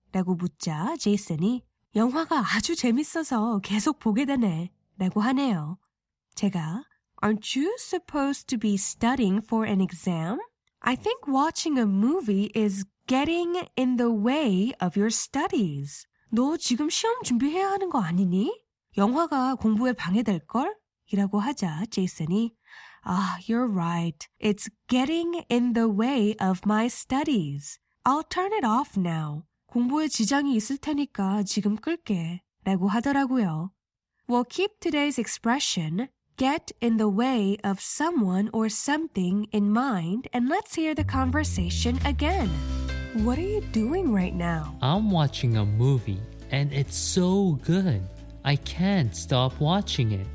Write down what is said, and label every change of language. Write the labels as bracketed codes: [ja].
[ko] 라고 묻자 제이슨이 영화가 아주 재밌어서 계속 보게 되네 라고 하네요. 제가 [en] Aren't you supposed to be studying for an exam? I think watching a movie is getting in the way of your studies. [ko] 너 지금 시험 준비해야 하는 거 아니니? 영화가 공부에 방해될걸? 이라고 하자 제이슨이 [en] you're right. It's getting in the way of my studies. I'll turn it off now. [ko] 공부에 지장이 있을 테니까 지금 끌게. 라고 하더라고요. [en] We'll keep today's expression, get in the way of someone or something in mind, and let's hear the conversation again. What are you doing right now? I'm watching a movie, and it's so good. I can't stop watching it.